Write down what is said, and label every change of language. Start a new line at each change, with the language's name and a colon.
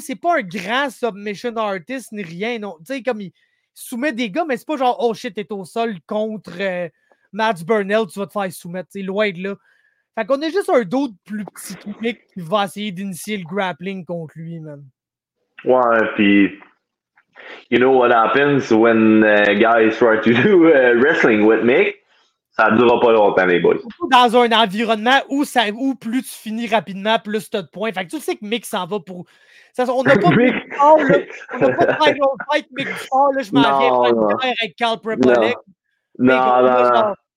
French: C'est pas un grand submission artist ni rien. Tu sais, comme il soumet des gars, mais c'est pas genre «
English: Oh shit,
French: t'es au sol contre Mads Burnell, tu vas te faire soumettre. » C'est loin de là. Fait qu'on a juste un d'autres plus petit public qui va essayer d'initier le grappling contre lui, man. Ouais, puis
English: you know what happens when guys try to do wrestling with Mick?
French: Ça ne durera pas longtemps, les boys. Dans un environnement où plus tu finis rapidement, plus tu as de points. Fait que tu sais que Mick s'en va pour... Ça, on n'a pas Mick Paul, là. On n'a pas de Final Fight, Mick Paul, là. Je m'en viens faire avec Carl Prepolic. Non.